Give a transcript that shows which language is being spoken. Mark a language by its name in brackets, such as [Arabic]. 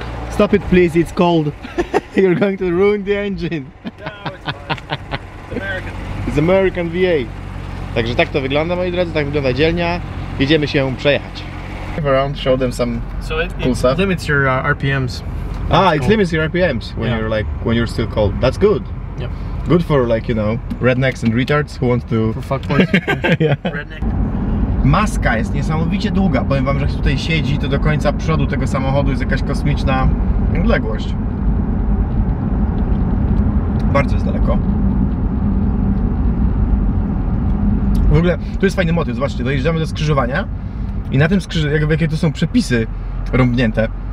[English] Stop it, please, it's cold. You're going to ruin the engine. No, it's fine. It's American. It's American VA. [Polish] Także tak to wygląda, moi drodzy, tak wygląda dzielnia. Idziemy się przejechać. [English] Around, show them some cool stuff. Limits your RPMs. Limits your RPMs when you're like when you're still cold. That's good. Yep. Good for like, you know, rednecks and retards who want to. For fuckboys. Redneck. [Polish] Maska jest niesamowicie długa. Powiem wam, że jak tutaj siedzi, to do końca przodu tego samochodu jest jakaś kosmiczna odległość. Bardzo jest daleko. W ogóle tu jest fajny motyw. Zobaczcie, dojeżdżamy do skrzyżowania i na tym skrzyżowaniu, jakie to są przepisy rąbnięte.